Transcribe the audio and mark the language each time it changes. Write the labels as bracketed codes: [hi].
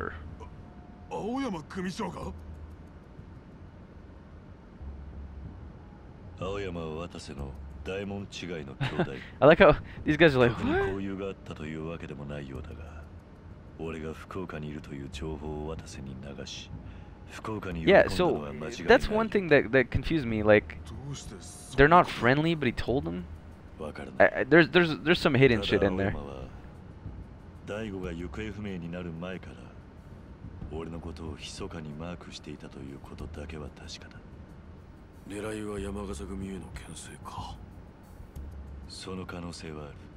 [ja] ー。 青山組長か。青山は渡瀬の大門違いの兄弟。 [en] I like how these guys are like, [ja] 交友があったというわけでもないようだが、俺が福岡にいるという情報を渡瀬に流し、 [en] Yeah, so that's one thing that confused me. Like, they're not friendly, but he told them. There's some hidden shit in there. [ja] Daigo が行方不明になる前から、俺のことを密かにマークしていたということだけは確かだ。狙いは山笠組への牽制か。その可能性はある。